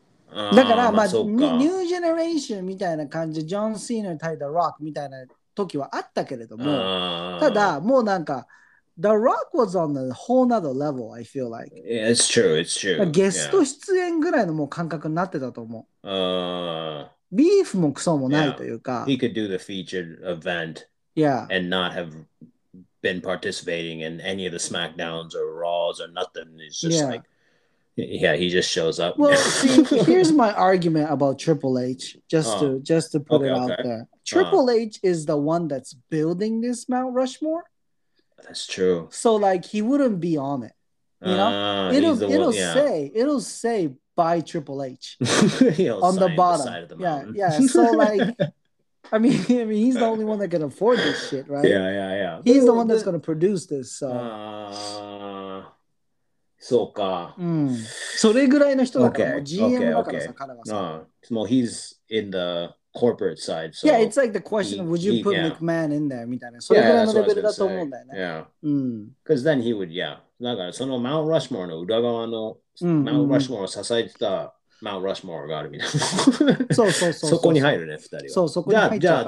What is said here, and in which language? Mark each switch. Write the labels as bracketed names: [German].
[Japanese] だから、まあ、ニュージェネレーションみたいな感じ、ジョン・シーナ対 [English] The Rock みたいな時はあったけれども、ただ、もうなんか、The Rock was on a whole other level, I feel like. Yeah, it's true, it's true. [Japanese] ゲスト出演ぐらいのもう感覚になってたと思う。ビーフもクソもないというか。 [English] He could do the featured event and not have been participating in any of the SmackDowns or Raws or nothing. It's just like, yeah, he just shows up. Well, see, here's my argument about Triple H, just to put it out there. Triple H is the one that's building this Mount Rushmore. That's true. So, like, he wouldn't be on it. You know? It'll say by Triple H on the bottom side of the mountain. Yeah. So like, I mean, he's the only one that can afford this shit, right? Yeah. He's the one that's gonna produce this. So. [Japanese] そうか。うん。それぐらいの人だから、 okay. もう GM だからさ、okay. 彼はさ。もう [English] he's in the corporate side. So yeah, it's like the question, would you put McMahon in there? [Japanese] みたいな。それぐらいのレベルだと思うんだよね。 [English] Yeah. [Japanese] うん。 [English] Because then he would, yeah. [Japanese] だからそのマウント・ラシモアの裏側の、マウント・ラシモアを支えてたマウント・ラシモアがあるみたいな。そうそうそう。そこに入るね、二人は。そう、そこに入っちゃうから。